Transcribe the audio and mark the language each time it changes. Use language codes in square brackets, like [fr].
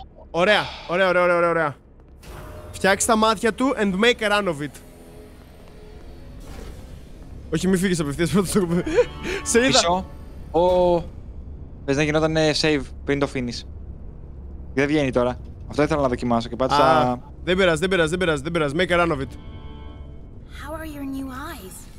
[el] Ωραία, ωραία, ωραία, ωραία, ωραία. Φτιάξε τα μάτια του [en] and make a run of it. [el] Όχι, μη φύγεις απευθείας πρώτα στο κουμπί. Σε είδα. Πίσω. Ω, πες να γινόταν save πριν το finish. Δεν βγαίνει τώρα. Αυτό ήθελα να δοκιμάσω και πάτησα. Δεν πειράζει, δεν πειράζει, δεν πειράζει, δεν πειράζει. [en] Make a run of it. How are your new eyes?